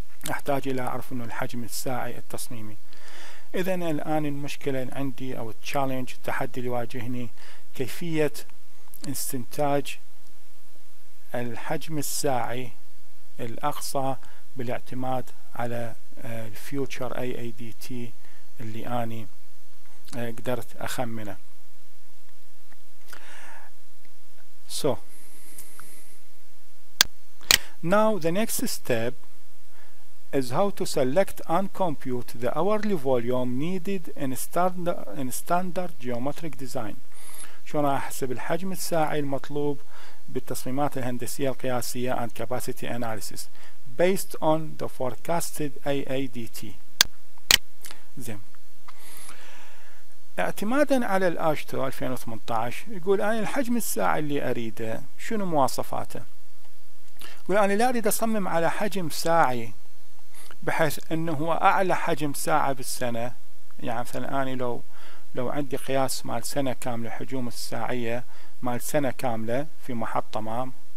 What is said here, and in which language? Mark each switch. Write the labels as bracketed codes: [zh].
[ar] أحتاج إلى أعرف إنه الحجم الساعي التصميمي. إذا الآن المشكلة عندي أو التشالنج التحدي اللي واجهني كيفية استنتاج الحجم الساعي الأقصى بالاعتماد على الفيوتشر AADT اللي أني قدرت أخمنه. [en] So now the next step is how to select and compute the hourly volume needed in standard geometric design. [ar] شلون احسب الحجم الساعي المطلوب بالتصميمات الهندسية القياسية [en] and capacity analysis based on the forecasted AADT. [ar] زين. اعتمادا على الاشتو 2018 يقول انا الحجم الساعي اللي اريده شنو مواصفاته؟ يقول أنا لا أريد أصمم على حجم ساعي بحيث أنه هو أعلى حجم ساعة بالسنة، يعني مثلا أنا لو عندي قياس مال سنة كاملة حجوم الساعية مال سنة كاملة في محطة ما،